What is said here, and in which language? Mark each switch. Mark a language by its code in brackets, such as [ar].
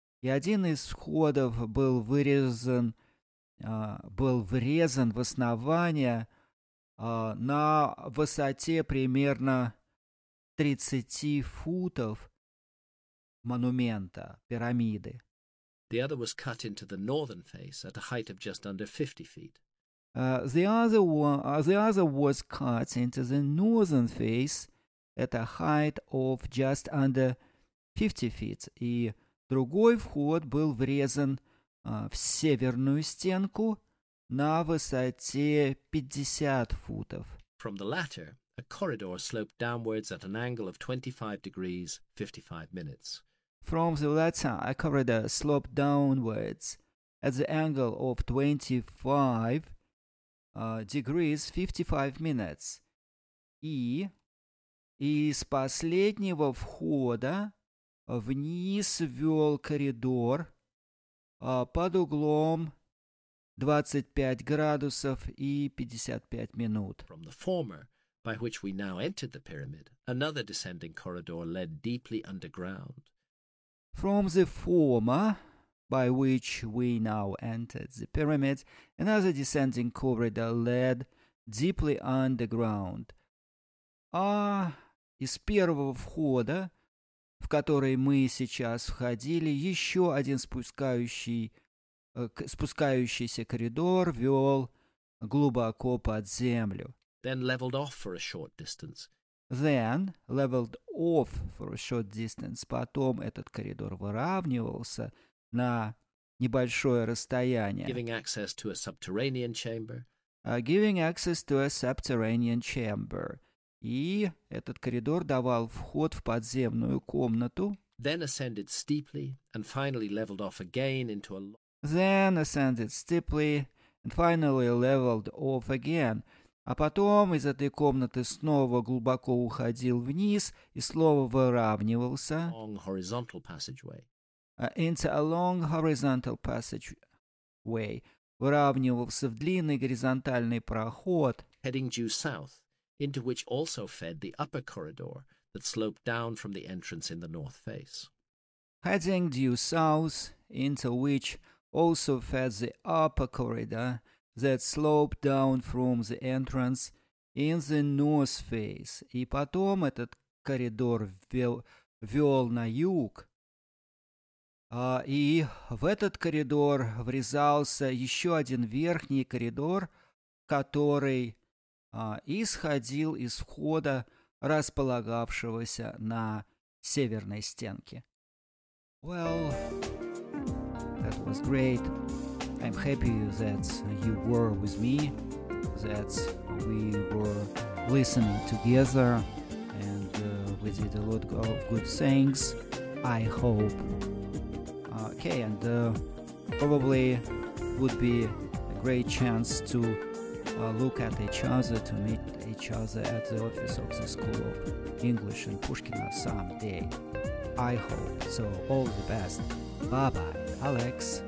[ru] И один из входов был вырезан, в основание на высоте примерно 30 футов монумента, пирамиды. [en] The other was cut into the northern face at a height of just under 50 feet. The other was cut into the northern face at a height of just under 50 feet. [ru] И другой вход был врезан в северную стенку на высоте 50 футов. [en] From the latter, a corridor sloped downwards at an angle of 25 degrees, 55 minutes. From the latter, a corridor sloped downwards at the angle of 25 degrees, 55 minutes. [ru] И из последнего входа вниз вел коридор под углом 25 градусов и 55 минут. [en] From the former, by which we now entered the pyramid, another descending corridor led deeply underground. From the former, by which we now entered the pyramid, another descending corridor led deeply underground. [ru] А из первого входа, в который мы сейчас входили, еще один спускающийся коридор вел глубоко под землю. [en] Then leveled off for a short distance. Then leveled off for a short distance. [ru] Потом этот коридор выравнивался на небольшое расстояние. [en] Giving access to a subterranean chamber. Giving access to a subterranean chamber. [ru] И этот коридор давал вход в подземную комнату. [en] Then ascended steeply and finally leveled off again into a. Then ascended steeply and finally leveled off again. [ru] А потом из этой комнаты снова глубоко уходил вниз и снова выравнивался. [en] Long horizontal passageway. Into a long horizontal passageway. [ru] Выравнивался в длинный горизонтальный проход. [en] Heading due south, into which also fed the upper corridor that sloped down from the entrance in the north face. Heading due south, into which also fed the upper corridor that sloped down from the entrance in the north face. [ru] И потом этот коридор вел на юг. И в этот коридор врезался еще один верхний коридор, который исходил из входа, располагавшегося на северной стенке. [en] Well, that was great. I'm happy that you were with me, that we were listening together, and we did a lot of good things, I hope. Okay, and probably would be a great chance to look at each other, to meet each other at the office of the School of English in Pushkino someday, I hope. So all the best. Bye-bye, Alex.